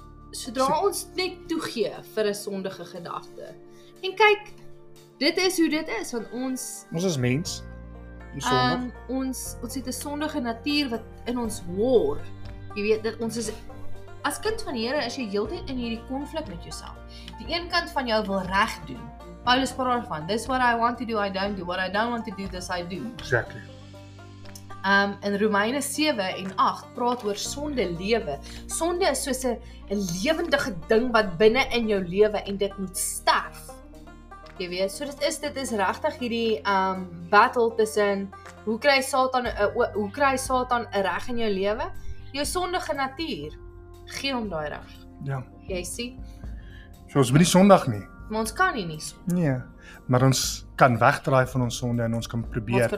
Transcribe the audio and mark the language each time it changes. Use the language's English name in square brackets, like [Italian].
[Afrikaans] Sodra ons net toegee vir 'n sondige gedagte. En kyk, dit is hoe dit is, want ons is mens. Ons het 'n sondige natuur wat in ons hoor. Jy weet dat ons is as kind van die Here is jy heeltyd in hierdie konflik met jouself. Die een kant van jou wil reg doen. Paulus praat daarvan, [English] this is what I want to do, I don't do. What I don't want to do, this I do. Exactly. [Afrikaans] In Romeine 7 en 8 praat oor sonde lewe. Sonde is soos 'n lewendige ding wat binne in jou lewe en dit moet sterf. Jy weet, so dit is regtig hierdie battle tussen hoe kry Satan 'n reg in jou lewe? Jou sondige natuur gee hom daai reg. Ja. Jy sien? So ons moet nie sondig nie. Maar ons kan nie. Nee. Maar ons kan wegdraai van ons sonde en ons kan probeer.